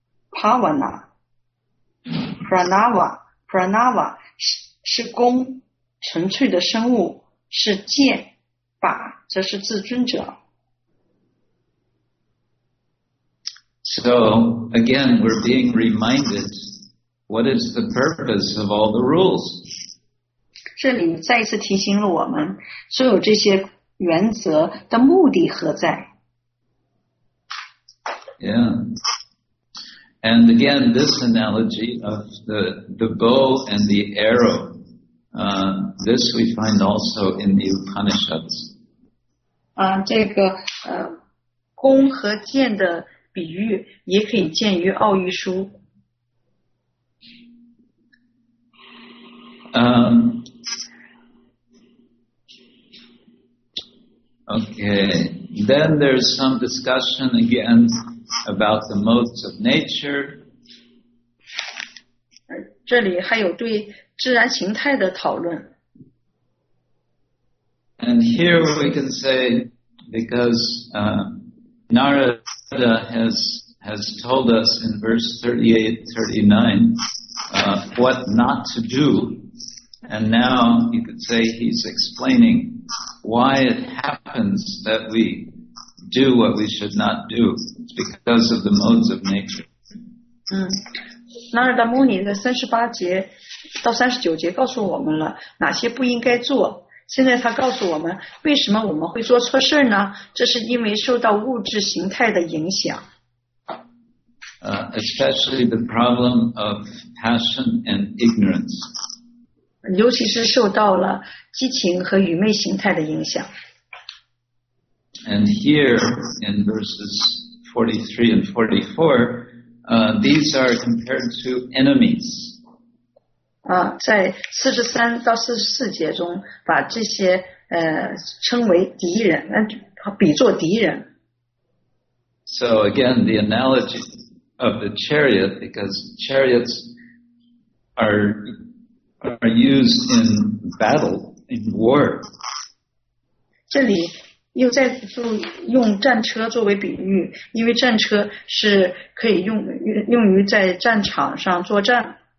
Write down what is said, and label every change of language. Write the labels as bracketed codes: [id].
[zh] Pavana, Pranava 是弓，纯粹的生物，是箭，靶则是自尊者。 [en] So again, we're being reminded what is the purpose of all the rules. [zh] 这里再一次提醒了我们，所有这些原则的目的何在？ Yeah. [en] And again, this analogy of the bow and the arrow, this we find also in the Upanishads. [zh] 这个弓和箭的比喻也可以见于奥义书。 [en] Okay, then there's some discussion again. About the modes of nature. [zh] 这里还有对自然形态的讨论。 [en] And here we can say, because Narada has told us in verse 38-39 what not to do, and now you could say he's explaining why it happens that we. Do what we should not do. It's because of the modes of nature. [zh] Narada Muni 的38节到39节告诉我们了哪些不应该做。现在他告诉我们为什么我们会做错事呢？这是因为受到物质形态的影响。 [en] Especially the problem of passion and ignorance. [zh] 尤其是受到了激情和愚昧形态的影响。 [en] And here in verses 43 and 44, these are compared to enemies. [zh] 在43到44节中把这些称为敌人比作敌人。 [en] So again, the analogy of the chariot because chariots are used in battle, in war. [zh] 这里又再度用战车作为比喻，因为战车是可以用于在战场上作战。